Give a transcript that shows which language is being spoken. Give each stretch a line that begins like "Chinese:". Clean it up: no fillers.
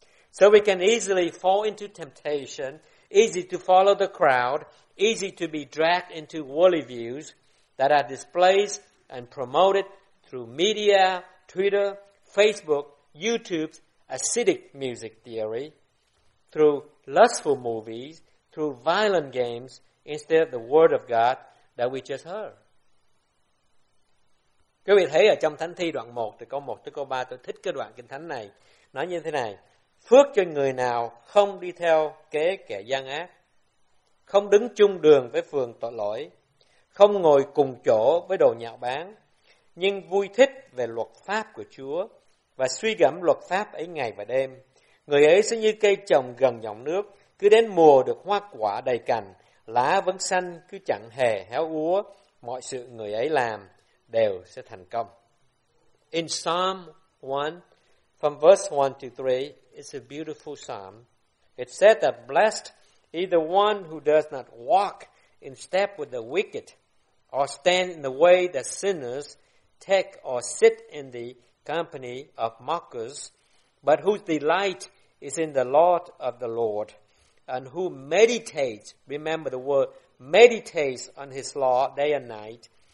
English: So we can easily fall into temptation, easy to follow the crowd, easy to be dragged into worldly views that are displayed and promoted through media, Twitter, Facebook, YouTube, acidic music theory, through lustful movies, through violent games, instead of the word of God that we just heard.
Vietnamese: Quý vị thấy ở trong Thánh Thi đoạn 1, từ câu 1 tới câu 3, tôi thích cái đoạn Kinh Thánh này. Nói như thế này: phước cho người nào không đi theo kế kẻ gian ác, không đứng chung đường với phường tội lỗi, không ngồi cùng chỗ với đồ nhạo báng, nhưng vui thích về luật pháp của Chúa và suy gẫm luật pháp ấy ngày và đêm. Người ấy sẽ như cây trồng gần dòng nước, cứ đến mùa được hoa quả đầy cành, lá vẫn xanh, cứ chẳng hề héo úa, mọi sự người ấy làm đều sẽ thành công.
English: In Psalm 1, from verse 1 to 3, it's a beautiful psalm. It said that blessed is the one who does not walk in step with the wicked, or stand in the way that sinners take, or sit in the company of mockers, but whose delight is in the law of the Lord, and who meditates, remember the word, meditates on his law day and night.